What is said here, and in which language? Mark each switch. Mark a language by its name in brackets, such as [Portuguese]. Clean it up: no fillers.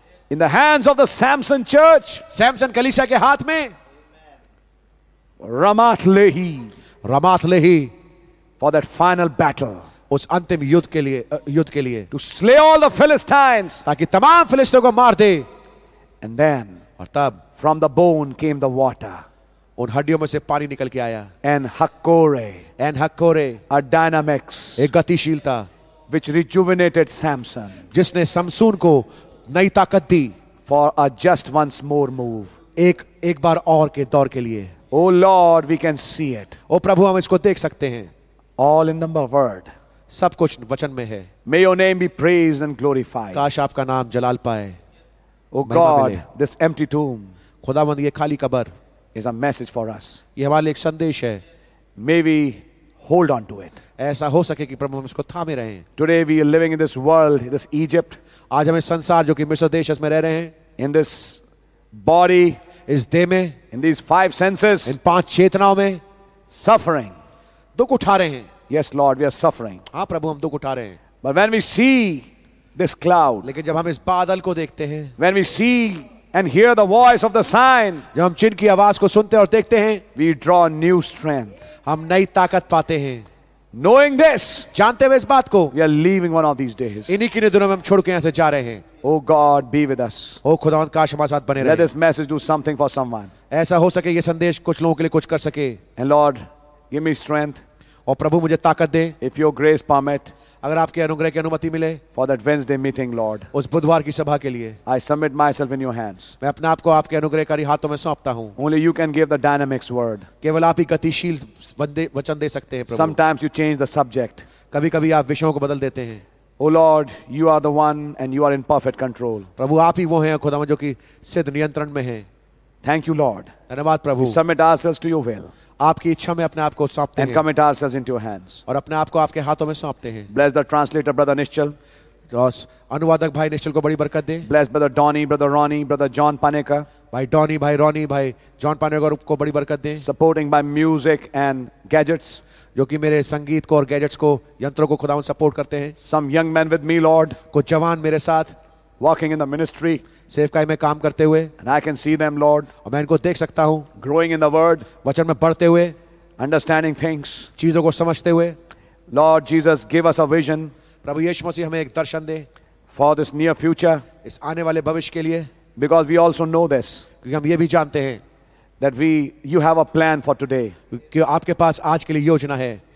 [English] In the hands of the Samson church. [Hindi] Samson कलीसिया के हाथ में. [English] Ramath Lehi. [Hindi] Ramath Lehi. [English] For that final battle. [Hindi] उस अंतिम युद्ध के लिए. [English] To slay all the Philistines. [Hindi] ताकि तमाम फिलिस्तीनों को मार दे. [English] And then. [Hindi] और तब. [English] From the bone came the water. [Hindi] उन हड्डियों में से पानी निकल के आया. [English] an encore a dynamics [Hindi] एक गतिशीलता. [English] which rejuvenated Samson [Hindi] जिसने समसून को नई ताकत दी. [English] for a just once more move [Hindi] एक बार और के दौर के लिए. [English] O Lord we can see it. [Hindi] ओ प्रभु हम इसको देख सकते हैं. [English] all in the word [Hindi] सब कुछ वचन में है. [English] May your name be praised and glorified. [Hindi] काश आपका नाम जलाल पाए. [English] O God this empty tomb [Hindi] खुदावंद ये खाली कब्र. [English] Is a message for us. [Hindi] ये हमारे एक संदेश है. [English] May we hold on to it. [Hindi] ऐसा हो सके कि प्रभु हम इसको थामे रहें. [English] Today we are living in this world, this Egypt. [Hindi] आज हम इस संसार जो कि मिस्र देश में रह रहे हैं. [English] In this body, [Hindi] इस देह में. [English] In these five senses, [Hindi] इन पांच चेतनाओं में. [English] Suffering, [Hindi] दुख उठा रहे हैं. [English] Yes, Lord, we are suffering. [Hindi] हाँ प्रभु हम दुख उठा रहे हैं. [English] But when we see this cloud, [Hindi] लेकिन जब हम इस बादल को देखते हैं. [English] When we see and hear the voice of the sign, [Hindi] जब हम चिन्ह की आवाज को सुनते और देखते हैं. [English] We draw new strength. [Hindi] हम नई ताकत पाते हैं. [English] Knowing this, [Hindi] जानते हुए इस बात को. [English] We are leaving one of these days. [Hindi] इन्हीं किन्हीं दिनों में हम छोड़ के यहाँ से जा रहे हैं. [English] Oh God, be with us. [Hindi] ओ खुदावंद काश हमारे साथ बने रहे. [English] Let this message do something for someone. [Hindi] ऐसा हो सके ये संदेश कुछ लोगों के लिए कुछ कर सके. [English] And Lord, give me strength. [Hindi] और प्रभु मुझे ताकत दे [English] if your grace permit [Hindi] अगर आपके अनुग्रह की अनुमति मिले [English] for that Wednesday meeting Lord [Hindi] उस बुधवार की सभा के लिए [English] I submit myself in your hands [Hindi] मैं अपने आप को आपके अनुग्रहकारी हाथों में सौंपता हूं [English] only you can give the dynamics word [Hindi] केवल आप ही गतिशील वचन दे सकते हैं प्रभु [English] sometimes you change the subject [Hindi] कभी कभी आप विषयों को बदल देते हैं [English] Oh Lord, you are the one and you are in perfect control. [Hindi] प्रभु आप ही वो हैं खुदावंद जो कि सिद्ध नियंत्रण में हैं. [English] Thank you, Lord. [Hindi] धन्यवाद प्रभु. [English] We submit ourselves to your will. [Hindi] आपकी इच्छा में अपने आप को सौंपते हैं. [English] And commit ourselves into your hands. [Hindi] और अपने आप को आपके हाथों में सौंपते हैं. [English] Bless the translator, Brother Nischal. [Hindi] जोस अनुवादक भाई निश्चल को बड़ी बरकत दे. [English] Bless Brother Donnie, Brother Ronnie, Brother John Paneka. [Hindi] भाई डॉनी भाई रॉनी भाई जॉन पानेकर को बड़ी बरकत दे. [English] Supporting by music and gadgets. [Hindi] जो कि मेरे संगीत को और गैजेट्स को यंत्रों को खुदावन सपोर्ट करते हैं [English] some young man with me Lord [Hindi] कुछ जवान मेरे साथ [English] walking in the ministry [Hindi] सेवकाई में काम करते हुए [English] and I can see them Lord [Hindi] और मैं इनको देख सकता हूँ [English] growing in the word [Hindi] वचन में बढ़ते हुए [English] understanding things [Hindi] चीजों को समझते हुए [English] Lord Jesus give us a vision [Hindi] प्रभु यीशु मसीह हमें एक दर्शन दे [English] for this near future [Hindi] इस आने वाले भविष्य के लिए [English] because we also know this [Hindi] क्योंकि हम ये भी जानते हैं [English] That we, you have a plan for today. [Hindi] कि आपके पास आज के लिए योजना है.